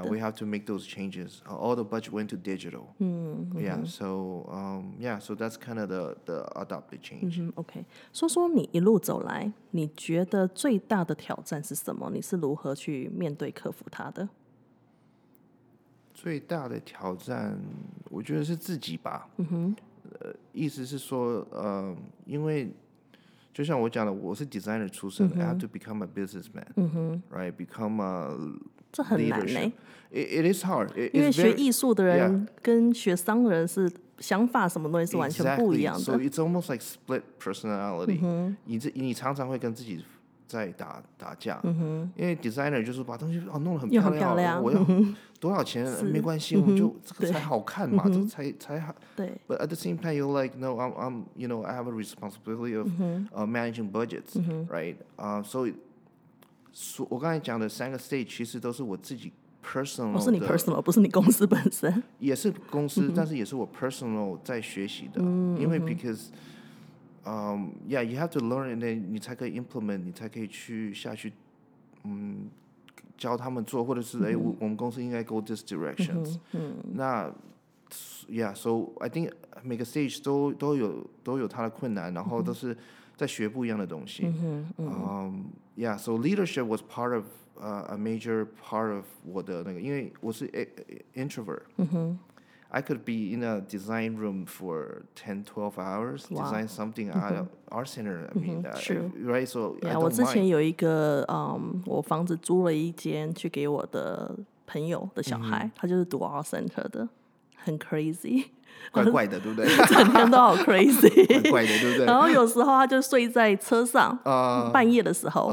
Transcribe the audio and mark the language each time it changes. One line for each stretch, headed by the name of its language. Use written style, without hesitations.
English: Yeah, we have to make those changes All the budget went to digital、嗯、 Yeah,、嗯、 so、yeah, so that's kind of the adopt the change、
Chinese: 嗯、OK 说说你一路走来你觉得最大的挑战是什么你是如何去面对克服它的最大的挑战我觉得是自己吧、嗯哼意思是说、因为就像我讲的我是 designer 出身、嗯、
English: I have to become a businessman、嗯、 Right Become a
Chinese: 这很难、欸、
English: it is hard it,
Chinese: 因为学艺术的人 yeah, 跟学商人是想法什么东西是完全不一样的
English: exactly, So it's almost like split personality、嗯、
Chinese: 你常常会跟自己在 打架、嗯、因为 designer 就是把东西、哦、弄得很漂 亮，我要多少钱、嗯、没关系、嗯、我就这个才好看嘛，这个 才好对。
English: But at the same time you're like no I'm you know I have a responsibility of、嗯 managing budgets、嗯、 right、so
Chinese: 我刚才讲的三个 stage 其实都是我自己 personal 的、哦、是你 personal 不是你公司本身，也是公司、嗯、但是也是我 personal 在学习的、嗯、因为
English: because yeah, you have to learn and then
Chinese: 你才可以 implement, 你才可以去下去、嗯、教他们做，或者是、 mm-hmm. 欸、我们公司应该
English: go this directions、 mm-hmm.
Chinese: 那
English: yeah, so I think
Chinese: 每个 stage 都有它的困难，然后都是在学不一样的东西、 mm-hmm.
English: yeah, so leadership was part of、a major part of
Chinese: 我的那个，因为我是
English: introvert、 mm-hmm. I could be in a design room for 10-12 hours,、 wow. design something at、 mm-hmm. our center, I mean,、 that, right? So, yeah, I don't
Chinese: 我之前有一个、我房子租了一间去给我的朋友的小孩、 mm-hmm. 他就是读 our center 的，很 crazy, 怪怪的对不对？整天都好 crazy, 怪怪的对不对？然后有时候他就睡在车上、半夜的时候、